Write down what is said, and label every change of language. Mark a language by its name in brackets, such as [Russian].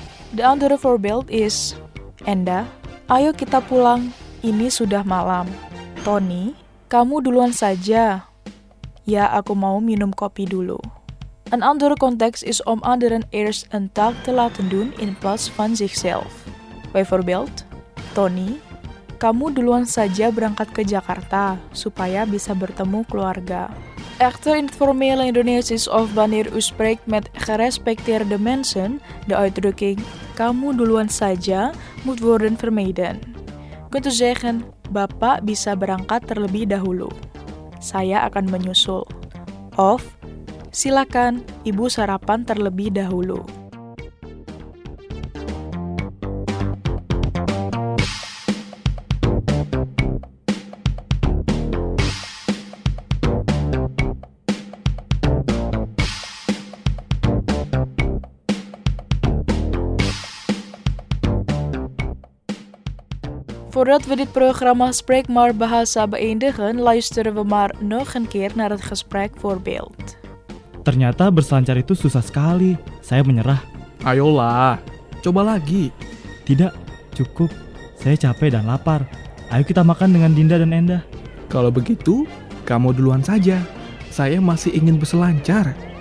[Dutch] De andere voorbeeld is, [Indonesian] Enda, ayo kita pulang, ini sudah malam. Tony, kamu duluan saja. Ya, aku mau minum kopi dulu. [Dutch] Een andere context is om anderen eerst een taak te laten doen in plaats van zichzelf. Bijvoorbeeld, [Indonesian] Tony, kamu duluan saja berangkat ke Jakarta supaya bisa bertemu keluarga. [Dutch] Echter informeel Indonesisch of wanneer u spreekt met gerespecteerde de mensen, de uitdrukking [Indonesian] kamu duluan saja [Dutch] moet worden vermeden. Kunt u zeggen, [Indonesian] bapak bisa berangkat terlebih dahulu. Saya akan menyusul. [Dutch] Of, [Indonesian] silakan ibu sarapan terlebih dahulu. [Dutch] Voordat we dit programma Spreek maar Bahasa beëindigen, luisteren we maar nog een keer naar het gesprek voorbeeld. [Indonesian] Ternyata berselancar itu susah sekali. Saya menyerah. Ayolah, coba lagi. Tidak, cukup. Saya capek dan lapar. Ayo kita makan dengan Dinda dan Enda. Kalau begitu, kamu duluan saja. Saya masih ingin berselancar.